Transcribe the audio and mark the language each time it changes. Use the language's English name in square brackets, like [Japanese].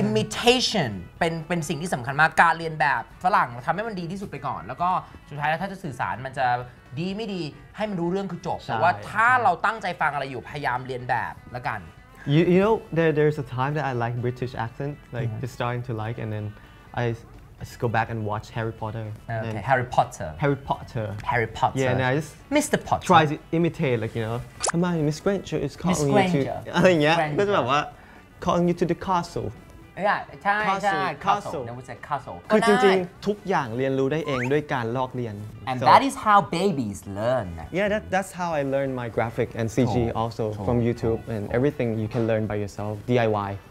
[Thai] Imitation เป็นสิ่งที่สำคัญมากการเรียนแบบฝรั่งทำให้มันดีที่สุดไปก่อนแล้วก็สุดท้ายแล้วถ้าจะสื่อสารมันจะดีไม่ดีให้มันรู้เรื่องคือจบแต่ว่าถ้าเราตั้งใจฟังอะไรอยู่พยายามเรียนแบบแล้วกัน [English] you know there's a time that I like British accent like just starting to like and then I just go back and watch Harry Potter. Okay, Harry Potter. Harry Potter. Harry Potter. Yeah, and I just Mr. Potter. Try to imitate, like, you know. Come on, Miss Granger is calling you to... Miss Granger. Yeah, that's about what? Calling you to the castle. Yeah, castle. Castle. That was a castle. [Thai] คือจริงๆทุกอย่างเรียนรู้ได้เองด้วยการลอกเรียน [English] And that is how babies learn. Yeah, that's how I learned my graphic and CG also from YouTube. And everything you can learn by yourself, DIY.